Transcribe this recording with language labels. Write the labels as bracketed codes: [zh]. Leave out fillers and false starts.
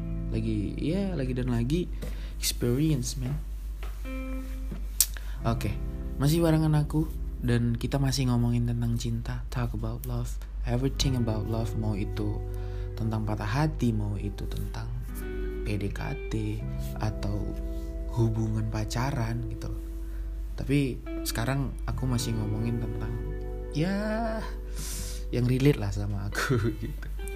[id] Lagi dan lagi experience, man. Oke, masih barengan aku dan kita masih ngomongin tentang cinta. [en] Talk about love, everything about love. [id] Mau itu tentang patah hati, mau itu tentang PDKT atau hubungan pacaran gitu. Tapi sekarang aku masih ngomongin tentang ya yang relate lah sama aku gitu.